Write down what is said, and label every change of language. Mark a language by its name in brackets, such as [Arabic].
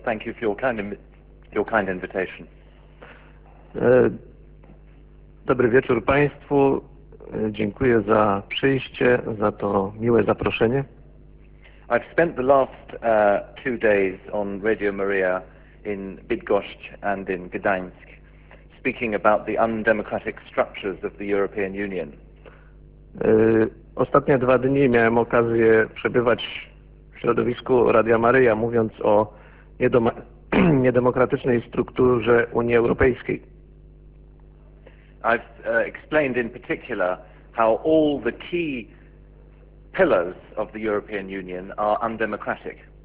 [English] Thank you for your kind invitation. [Polish] Dobry wieczór państwu. Dziękuję za przyjście, za to miłe zaproszenie. [English] I've spent the last 2 days on Radio Maria in Bydgoszcz and in Gdańsk, speaking about the undemocratic structures of the European Union. [Polish] Ostatnie 2 dni miałem okazję przebywać w środowisku Radia Maryja, mówiąc o niedemokratycznej strukturze Unii Europejskiej. [English] I've explained in particular how all the key pillars of the European Union are undemocratic.